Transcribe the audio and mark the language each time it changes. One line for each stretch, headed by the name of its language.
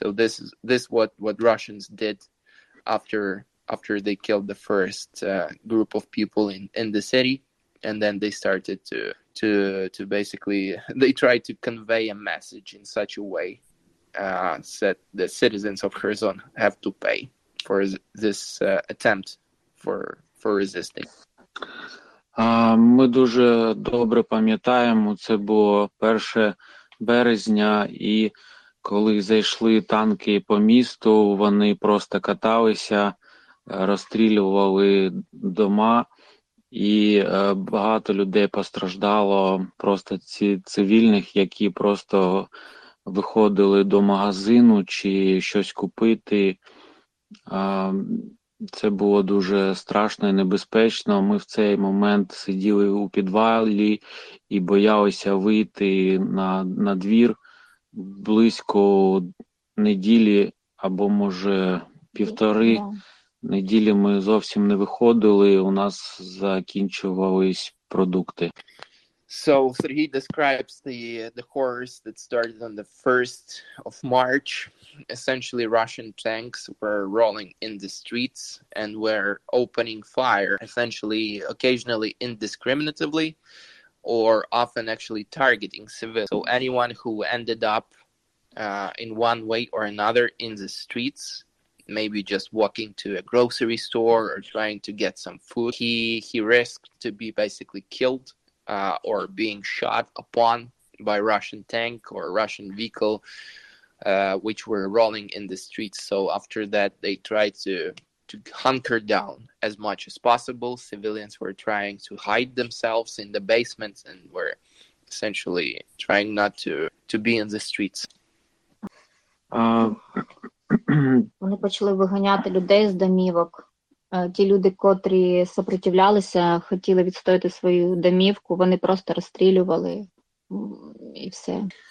English: So this is what Russians did after they killed the first group of people in the city, and then they started to basically, they tried to convey a message in such a way that the citizens of Kherson have to pay for this attempt for resisting.
Ukrainian: Ми дуже добре пам'ятаємо, це було перше березня, і коли зайшли танки по місту, вони просто каталися, розстрілювали дома, і багато людей постраждало, просто ці цивільних, які просто виходили до магазину чи щось купити. Це було дуже страшно і небезпечно. Ми в цей момент сиділи у підвалі і боялися вийти на двір близько неділі або, може, півтори. Неділі ми зовсім не виходили, у нас закінчувались продукти.
English: So Сергій describes the horrors that started on the 1st of March. Essentially, Russian tanks were rolling in the streets and were opening fire, essentially, occasionally indiscriminately, or often actually targeting civilians. So anyone who ended up in one way or another in the streets, maybe just walking to a grocery store or trying to get some food, he risked to be basically killed. Or being shot upon by Russian tank or Russian vehicle, which were rolling in the streets. So after that, they tried to hunker down as much as possible. Civilians were trying to hide themselves in the basements and were essentially trying not to be in the streets.
Ukrainian: Вони почали виганяти людей з домівок. Ті люди, котрі сопротивлялися, хотіли відстояти свою домівку, вони просто розстрілювали і все.